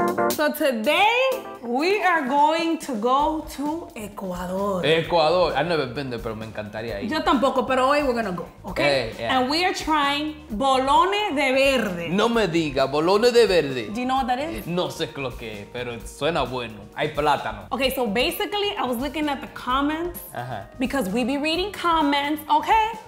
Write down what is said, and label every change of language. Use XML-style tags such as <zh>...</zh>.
<en>So today we are going to go to Ecuador. Ecuador. I've never been there,</en> <es>pero me encantaría ir. Yo tampoco, pero hoy</es> <en>we're gonna go, okay? And we are trying bolones de verde.</en> <es>No me diga, bolones de verde.</es> <en>Do you know what that is?</en> <es>No sé lo que es, pero suena bueno. Hay plátano.</es> <en>Okay, so basically I was looking at the comments because we be reading comments, okay?</en>